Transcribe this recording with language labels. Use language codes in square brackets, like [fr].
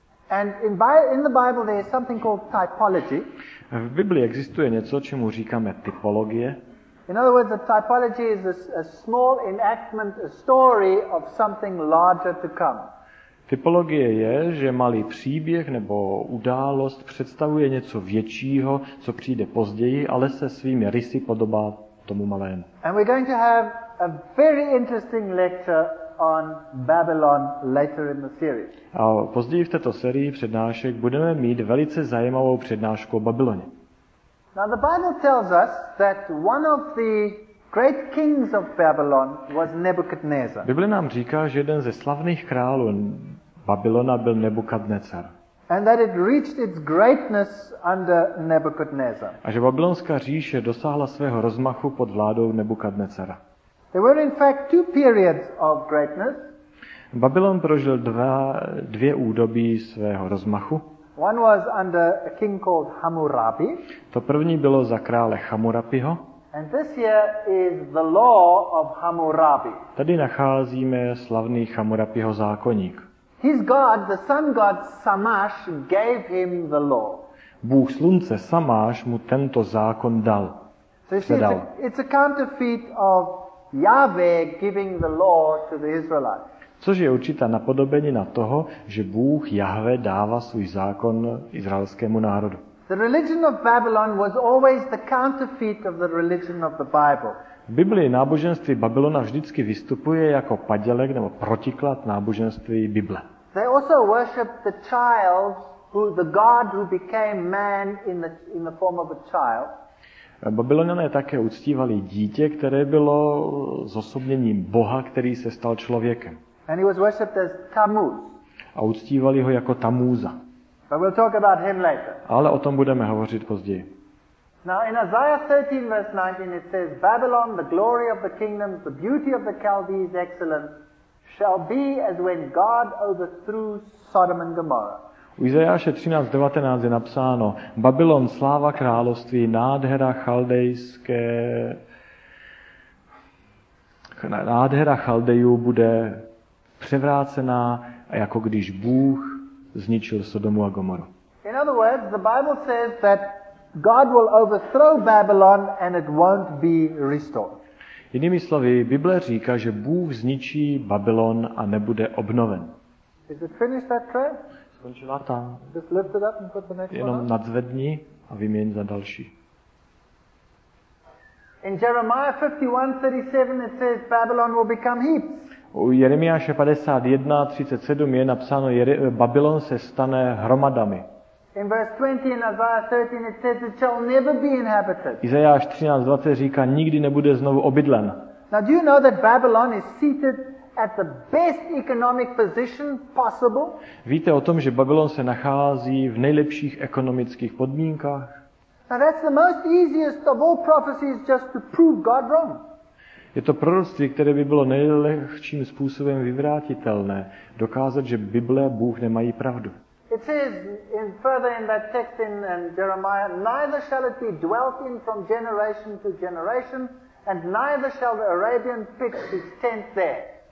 [en] And in the Bible there is something called typology. [cs] V Biblii existuje něco, čemu říkáme typologie. [en] In other words, a typology is a small enactment, a story of something larger to come. [cs] Typologie je, že malý příběh nebo událost představuje něco většího, co přijde později, ale se svými rysy podobá tomu malému. [en] And we're going to have a very interesting lecture on Babylon later in the series. [cs] A později v této sérii přednášek budeme mít velice zajímavou přednášku o Babyloně. [en] Now the Bible tells us that one of the great kings of Babylon was Nebuchadnezzar. [cs] Bible nám říká, že jeden ze slavných králů Babylona byl Nebukadnezar. [en] And that it reached its greatness under Nebuchadnezzar. [cs] A že babylonská říše dosáhla svého rozmachu pod vládou Nebukadnezara. [en] There were in fact two periods of greatness. [cs] Babylon prožil dvě údobí svého rozmachu. [en] One was under a king called Hammurabi. [cs] To první bylo za krále Hammurabiho. [en] And this here is the law of Hammurabi. [cs] Tady nacházíme slavný Hammurabiho zákoník. [en] His god, the sun god Shamash, gave him the law. [cs] Bůh slunce Shamash mu tento zákon dal. Předal. [en] It's a counterfeit of Yahweh giving the law to the Israelites. [cs] Což je určitá napodobení na toho, že Bůh Jahve dává svůj zákon izraelskému národu. [en] The religion of Babylon was always the counterfeit of the religion of the Bible. [cs] V Biblii náboženství Babylona vždycky vystupuje jako padělek nebo protiklad náboženství Bible. [en] They also worshiped the child who the god who became man in the form of a child. [cs] Babyloniané také uctívali dítě, které bylo zosobněním boha, který se stal člověkem. [en] And he was worshipped as Tammuz. [cs] A uctívali ho jako Tammuza. [en] But we'll talk about him later. [cs] Ale o tom budeme hovořit později. [en] Now in Isaiah 13 verse 19 it says Babylon, the glory of the kingdom, the beauty of the Chaldees' excellence shall be as when God overthrew Sodom and Gomorrah. [cs] U Izajáše 13:19 je napsáno: Babylon, sláva království, nádhera chaldejské nádhera Chaldejů bude převrácená, jako když Bůh zničil Sodomu a Gomoru. [en] In other words, the Bible says that God will overthrow Babylon and it won't be restored. [cs] Jinými slovy, Bible říká, že Bůh zničí Babylon a nebude obnoven. [en] Is it finished that prayer? [cs] Skončila ta. [en] Just lift it up and put the next one. [cs] Jenom nadzvedni a vyměň za další. [en] In Jeremiah 51:37 it says Babylon will become heaps. [cs] U Jeremiáše 51:37 je napsáno, že Babylon se stane hromadami. [en] In verse 20 in Isaiah 13 it says it shall never be inhabited. [cs] Izajáš 13:20 říká nikdy nebude znovu obydlen. [en] Now do you know that Babylon is seated at the best economic position possible? [cs] Víte o tom, že Babylon se nachází v nejlepších ekonomických podmínkách? [en] Now that's the most easiest of all prophecies just to prove God wrong. [cs] Je to proroctví, které by bylo nejlehčím způsobem vyvrátitelné, dokázat, že Bible a Bůh nemají pravdu. [en] It says in further in that text in Jeremiah, neither shall it be dwelt in from generation to generation, and neither shall the Arabian pitch his tent there.